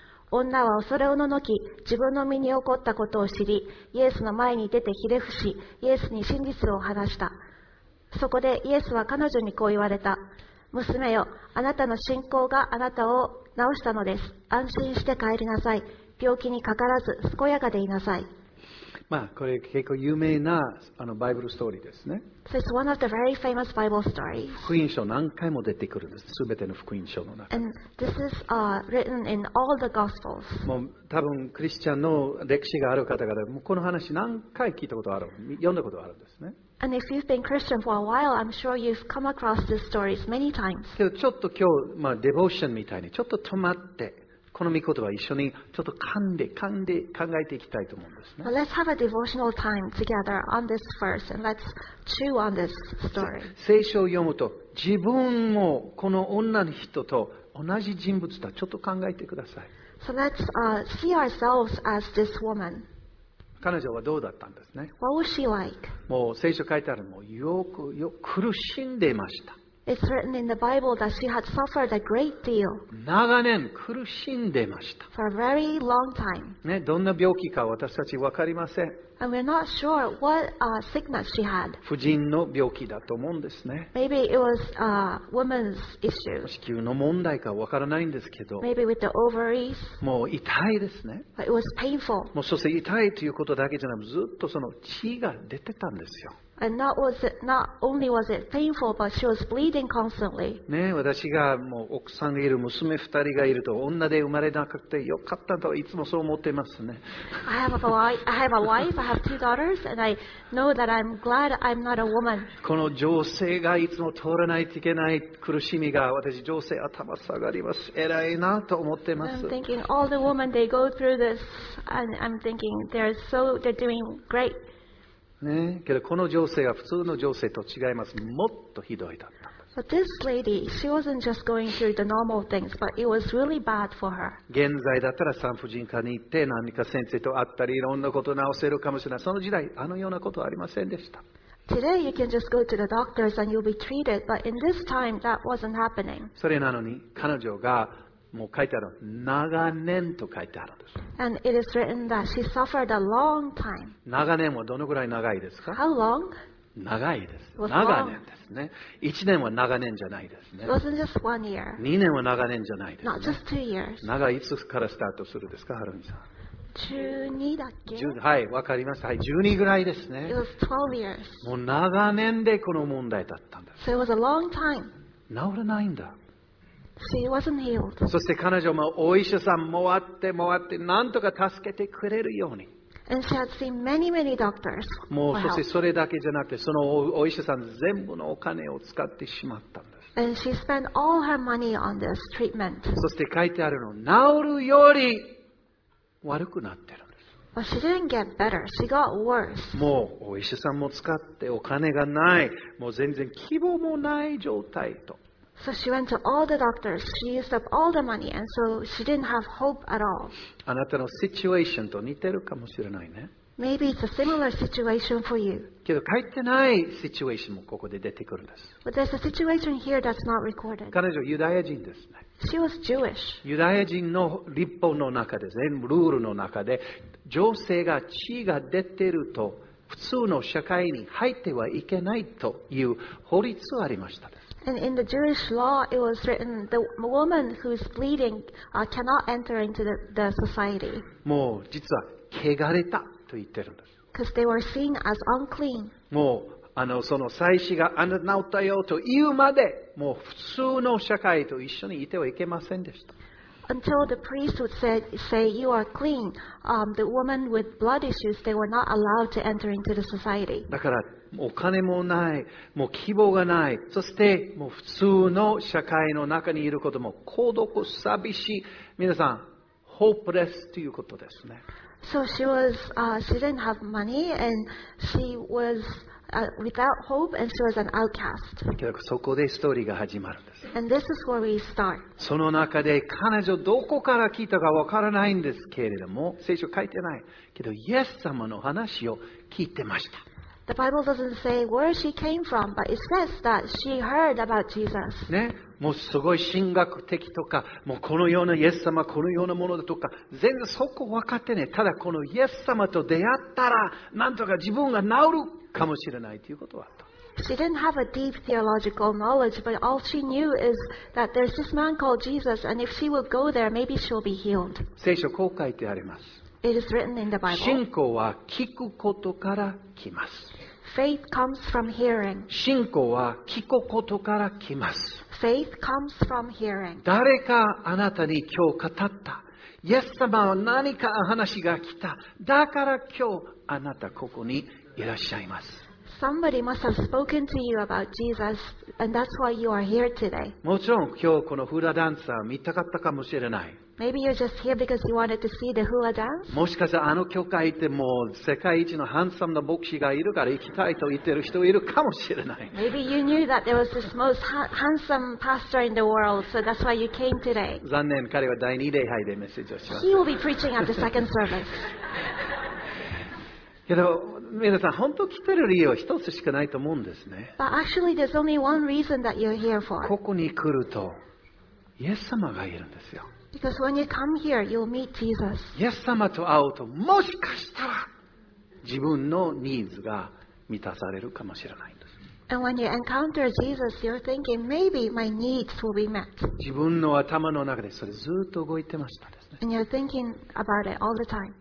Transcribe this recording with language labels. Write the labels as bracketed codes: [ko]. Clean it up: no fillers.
[ja] 女は恐れおののき、自分の身に起こったことを知り、イエスの前に出てひれ伏し、イエスに真実を話した。そこでイエスは彼女にこう言われた。娘よ、あなたの信仰があなたを治したのです。安心して帰りなさい。病気にかからず健やかでいなさい。まあ、これ結構有名なあのバイブルストーリーですね。 [en] So、it's one of the very famous Bible story. [ja] 福音書何回も出てくるんです。すべての福音書の中。 [en] And this is written in all the Gospels. [ja] もう多分クリスチャンの歴史がある方々、もうこの話何回聞いたことある、読んだことあるんですね。 [en] And if you've been Christian for a while, I'm sure you've come across these stories many times. [ja] けどちょっと今日、まあ、デボーションみたいにちょっと止まって。この御言葉を一緒にちょっと噛んで考えていきたいと思うんですね。 [en] Let's have a devotional time together on this verse and let's chew on this story. [ja] 聖書を読むと自分もこの女の人と同じ人物だ。ちょっと考えてください。 [en] So let's see ourselves as this woman. [ja] 彼女はどうだったんですね。 [en] What was she like? [ja] もう聖書書いてあるのもよく苦しんでいました。 [en] It's written in the Bible that she had suffered a great deal. [ja] 長年苦しんでました。 [en] For a very long time. [ja] ね、どんな病気か私たち分かりません。 [en] And we're not sure what sickness she had. [ja] 婦人の病気だと思うんですね。 [en] Maybe it was a woman's issue. [ja] 子宮の問題か分からないんですけど。 [en] Maybe with the ovaries. [ja] もう痛いですね。 [en] But it was painful. [ja] もうそして痛いということだけじゃなく、ずっとその血が出てたんですよ。 [en] And not only was it painful, but she was bleeding constantly. [ja] ね、私がもう奥さんがいる、娘二人がいると、女で生まれなくてよかったといつもそう思ってますね。 [en] I have a wife. I have two daughters, and I know that I'm glad I'm not a woman. [ja] この女性がいつも通らないといけない苦しみが、私女性頭下がります。偉いなと思ってます。 [en] I'm thinking all the women they go through this, and I'm thinking they're doing great. [ja] ね、けどこの女性は普通の女性と違います。もっとひどいだったんです。 [en] But this lady, she wasn't just going through [ja] 現在だったら産婦人科に行って何か先生と会ったりいろんなことを治せるかもしれない。その時代あのようなことはありませんでした。 [en] Today you can just go to the doctors and you'll be treated. But in this time, that wasn't happening. [ja] それなのに彼女がもう書いてある長年と書いてあるんです。 [en] And it is written that she suffered a long time. [ja] 長年はどのぐらい長いですか？ [en] How long? [ja] 長いです。長年ですね。 1年は長年じゃないですね。 [en] It wasn't just one year. [ja] 2年は長年じゃないです、ね。 [en] Not just two years. [ja] 長いつからスタートするですか、ハルミさん？ 12だっけ？はい、わかりました。はい、12ぐらいですね。 [en] It was 12 years. [ja] もう長年でこの問題だったんです。 [en] So it was a long time. [ja] 治らないんだ。 [en] She wasn't healed. [ja] そして彼女もお医者さん回って回って何とか助けてくれるように。 [en] And she had seen many, many doctors. [ja] もうそしてそれだけじゃなくてそのお医者さん全部のお金を使ってしまったんです。 [en] And she spent all her money on this treatment. [ja] そして書いてあるの治るより悪くなってるんです。 [en] But she didn't get better. She got worse. [ja] もうお医者さんも使ってお金がない、もう全然希望もない状態と。 [en] So she went to all the doctors. She used up all the money, and so she didn't have hope at all. [ja] あなたのシチュエーションと似てるかもしれないね。 [en] Maybe it's a similar situation for you. [ja] けど書いてないシチュエーションもここで出てくるんです。 [en] But there's a situation here that's not recorded. [ja] 彼女ユダヤ人ですね。 [en] She was Jewish. [ja] ユダヤ人の立法の中で、全部ルールの中で、女性が血が出てると普通の社会に入ってはいけないという法律がありました。 [en] And in the Jewish law, it was written the woman who's bleeding cannot enter into the society. [ja] もう実は汚れたと言ってるんです。 [en] Because they were seen as unclean. [ja] もうあのその祭司があなた治ったよと言うまで、もう普通の社会と一緒にいてはいけませんでした。 [en] until the priest would say you are clean, the woman with blood issues, they were not allowed to enter into the society. [ja] だからお金もない、もう希望がない、そしてもう普通の社会の中にいることも孤独、寂しい、皆さん、hopeless ということですね。 [en] So she was, she didn't have money and she was, without hope and she was an outcast. [ja] そこでストーリーが始まるんです。 [en] And this is where we start. [ja] その中で彼女どこから聞いたかわからないんですけれども、聖書書いてないけど、イエス様の話を聞いてました。 [en] The Bible doesn't say where she came from, but it says that she heard about Jesus. [ja] ね、もうすごい神学的とか、もうこのようなイエス様、このようなものだとか、全然そこ分かってね。ただこのイエス様と出会ったら、なんとか自分が治るかもしれないということはと。 [en] She didn't have a deep theological knowledge, but all she knew is that there's this man called Jesus, and if she would go there, maybe she'll be healed. [ja] 聖書こう書いてあります。 [en] It is written in the Bible. [ja] 信仰は聞くことから来ます。 [en] Faith comes from hearing. [ja] 信仰は聞くことから来ます。 [en] Faith comes from hearing. [ja] 誰かあなたに今日語った。イエス様は何か話が来た。だから今日あなたここにいらっしゃいます。 [en] Somebody must have spoken to you about Jesus, and that's why you are here today. [ja] もちろん今日このフラダンサー見たかったかもしれない。 [en] Maybe you're just here because you wanted to see the hula dance. [ja] もしかしたらあの教会行ってもう世界一のハンサムな牧師がいるから行きたいと言ってる人いるかもしれない。 [en] Maybe you knew that there was this most handsome pastor in the world, so that's why you came today. [ja] 残念、彼は第二礼拝でメッセージをします。 [en] He will be preaching at the second service. [ja] けど皆さん本当に来てる理由は一つしかないと思うんですね。 [en] But actually, there's only one reason that you're here for. [ja] ここに来るとイエス様がいるんですよ。 [en] Because when you come here, you'll meet Jesus. [ja] イエス様と会うと、もしかしたら自分のニーズが満たされるかもしれないんです。 [en] And when you encounter Jesus, you're thinking maybe my needs will be met. [ja] 自分の頭の中でそれずっと動いてましたですね。 [en] And you're thinking about it all the time.